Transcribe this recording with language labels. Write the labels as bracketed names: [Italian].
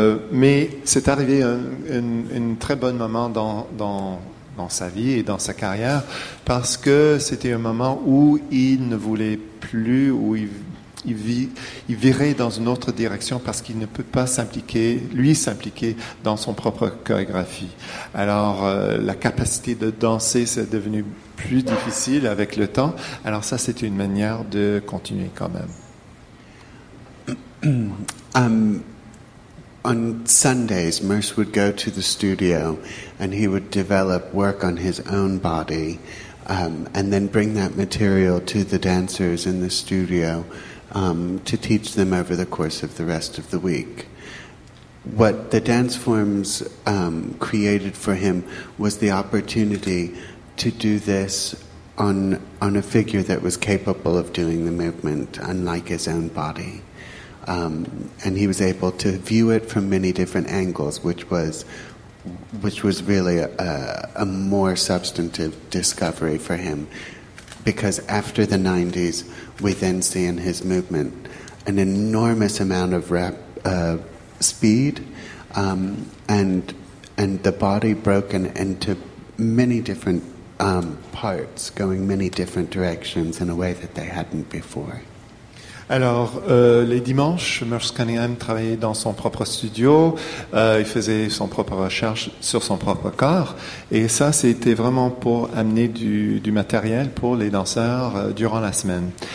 [French] Mais c'est arrivé un très bon moment dans sa vie et dans sa carrière parce que c'était un moment où il ne voulait plus, où il virait dans une autre direction parce qu'il ne peut pas s'impliquer dans son propre chorégraphie. Alors, la capacité de danser, c'est devenu plus difficile avec le temps. Alors ça, c'est une manière de continuer quand même. [English] On Sundays, Merce would go to the studio and he would develop work on his own body and then bring that material to the dancers in the studio to teach them over the course of the rest of the week. What the Dance Forms created for him was the opportunity to do this on a figure that was capable of doing the movement, unlike his own body. And he was able to view it from many different angles, which was really a more substantive discovery for him. Because after the 90s, we then see in his movement an enormous amount of speed and the body broken into many different parts, going many different directions in a way that they hadn't before. [French] Alors, les dimanches, Merce Cunningham travaillait dans son propre studio, il faisait son propre recherche sur son propre corps, et ça, c'était vraiment pour amener du matériel pour les danseurs durant la semaine.